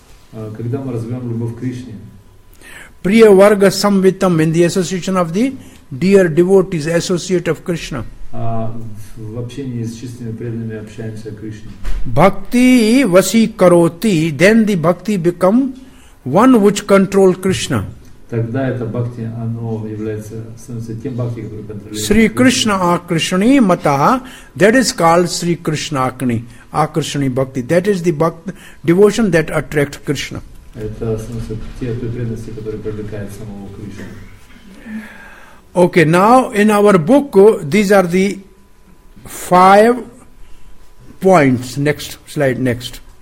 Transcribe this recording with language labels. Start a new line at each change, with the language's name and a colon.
Russian: Когда мы развиваем любовь к Кришне.
Sanskrit: Priya varga samvitam,
English: in the association of the dear devotees, associate of Krishna.
Russian: В общении с чистыми преданными общаемся о Кришне.
Sanskrit: Bhakti vasi karoti,
English: then the bhakti become one which control Krishna.
Russian: Тогда это бхакти, оно является, становится тем бхакти, который контролирует.
English: Sri Krishna Akrishni Mata, that is called Sri Krishna Akni, Akrishni Bhakti. That is the bhakti, devotion that attracts Krishna.
Russian: Это становится те преданности, которые привлекают самого Кришна.
English: Okay, now in our book, these are the five points. Next slide, next.